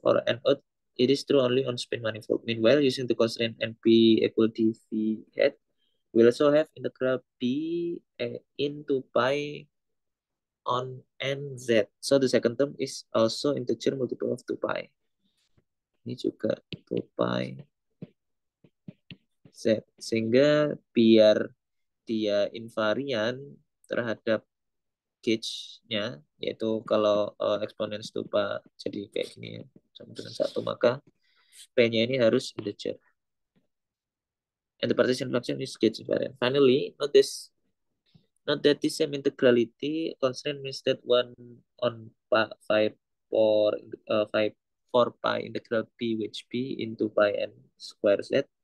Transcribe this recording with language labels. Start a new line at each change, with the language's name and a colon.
English: For n odd, it is true only on spin manifold. Meanwhile, using the constraint np equal to v hat, we also have integral b into pi on nz. So the second term is also integer multiple of 2 pi.
Indonesian: Ini juga 2 pi z. Sehingga biar dia invarian terhadap gauge-nya, yaitu kalau eksponens 2 pi jadi kayak gini ya, sama dengan 1, maka p-nya ini harus integer.
English: And the partition function is gauge invariant. Finally, notice not that this same integrality constraint means that 1 on pi, 4 pi integral p which p into pi n square z.